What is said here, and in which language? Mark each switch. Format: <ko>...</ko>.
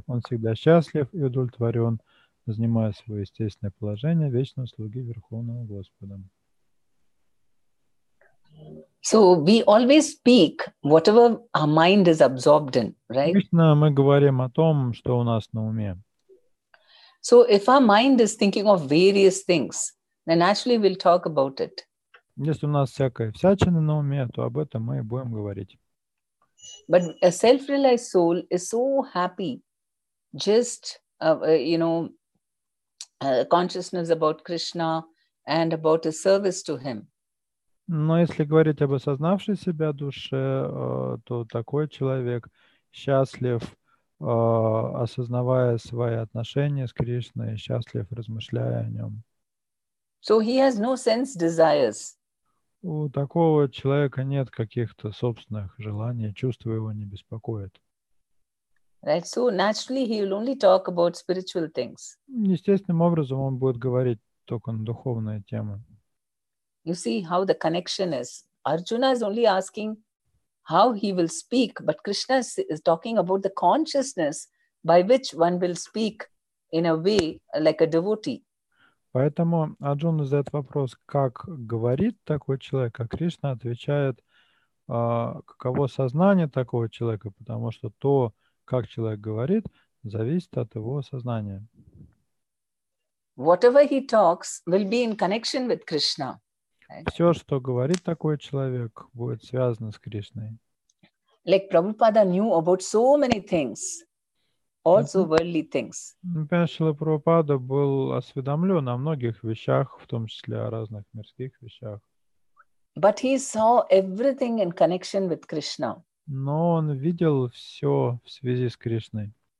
<ru>Он всегда счастлив и удовлетворен, занимая свое естественное положение вечного слуги Верховного Господа.</ru> <en>So we always speak whatever our mind is absorbed in, right?</en> <ru>Обычно мы говорим о том, что у нас на уме.</ru> <en>So if our mind is thinking of various things, then actually we'll talk about it.</en> <ru>Если у нас всякая всячина на уме, то об этом мы и будем говорить.</ru> <en>But a self-realized soul is so happy, just consciousness about Krishna and about his service to him.</en> <ru>Но если говорить об осознавшей себя душе, то такой человек счастлив, осознавая свои отношения с Кришной, счастлив, размышляя о нем.</ru> <en>So he has no sense desires.</en> <ru>У такого человека нет каких-то собственных желаний, чувства его не беспокоят.</ru> <en>Right, so naturally he will only talk about spiritual things.</en> <ru>Естественным образом он будет говорить только на духовные темы.</ru> <en>You see how the connection is. Arjuna is only asking how he will speak, but Krishna is talking about the consciousness by which one will speak in a way like a devotee.</en> <ru>Поэтому Арджуна задает вопрос, как говорит такой человек, а Кришна отвечает, каково сознание такого человека, потому что то, как человек говорит, зависит от его сознания.</ru> <en>Whatever he talks will be in connection with Krishna.</en> <ru>Все, что говорит такой человек, будет связано с Кришной.</ru> <en>Like Prabhupada knew about so many things. Also worldly things.</en> <ru>Шрила Прабхупада был осведомлен о многих вещах, в том числе о разных мирских вещах.</ru> <en>But he saw everything in connection with Krishna.</en> <ru>Но он видел все в связи с Кришной.</ru>